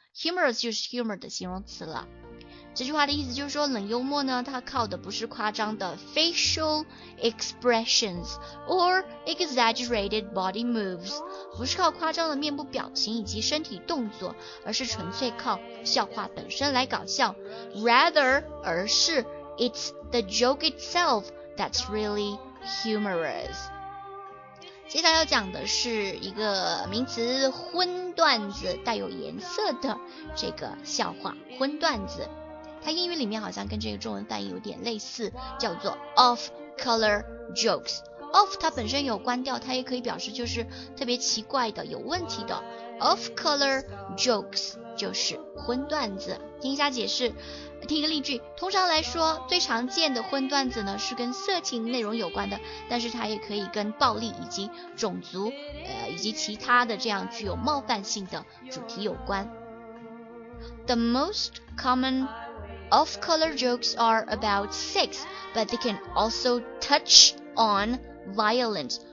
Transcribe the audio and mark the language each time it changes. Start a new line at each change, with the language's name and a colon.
Chinese: Humorous 就是 humor 的形容词了。这句话的意思就是说，冷幽默呢，它靠的不是夸张的 facial expressions or exaggerated body moves，不是靠夸张的面部表情以及身体动作，而是纯粹靠笑话本身来搞笑。
English: Rather，而是 it's the joke itself that's really humorous。
Chinese: 接下来要讲的是一个名词，荤段子，带有颜色的这个笑话，荤段子。它英语里面好像跟这个中文翻译有点类似，叫做 off color jokes。 off 它本身有关掉，它也可以表示就是特别奇怪的，有问题的。 off color jokes 就是荤段子。听一下解释，听一个例句，通常来说最常见的荤段子呢是跟色情内容有关的，但是它也可以跟暴力以及种族以及其他的这样具有冒犯性的主题有关。
English: The most commonOff-color jokes are about sex, but they can also touch on violence.